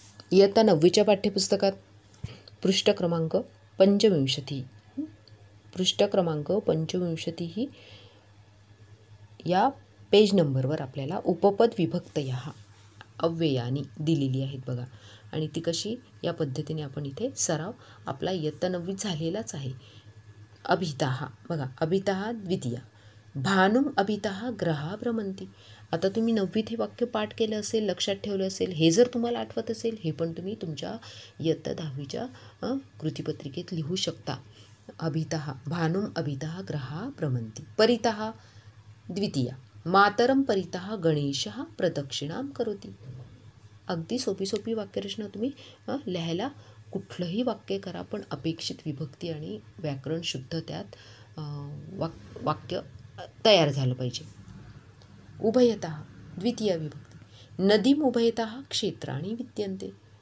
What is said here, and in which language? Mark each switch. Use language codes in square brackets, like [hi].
[mr] इयत्ता 9वीच्या पाठ्यपुस्तकात पृष्ठ क्रमांक पंचविंशती ही या पेज नंबरवर आपल्याला उपपद विभक्तयः अव्ययानी दिलेली आहेत बघा. आणि ती कशी, या पद्धतीने आपण इथे सराव आपला इयत्ता 9वी झालेलाच आहे. [sa] अभितः बघा, अभितः द्वितीय, भानुम अभितः ग्रहा भ्रमंती. [mr] आता तुम्ही 9वीत हे वाक्य पाठ केलं असेल, लक्षात ठेवलं असेल, हे जर तुम्हाला आठवत असेल, हे पण तुम्ही तुमच्या इयत्ता 10वीच्या कृतीपत्रिकेत लिहू शकता. [sa] अभितः भानुम अभितः ग्रहा भ्रमंती. परितः द्वितीय, मातरम परितः गणेशः प्रदक्षिणां करोति. [mr] अगदी सोपी सोपी वाक्यरचना तुम्ही लिहायला कुठलंही वाक्य करा, पण अपेक्षित विभक्ती आणि व्याकरण शुद्ध त्यात वाक्य तयार झालं पाहिजे. [sa] उभयतः द्वितीय विभक्ती, नदीम उभयतः क्षेत्राणी विद्यन्ते.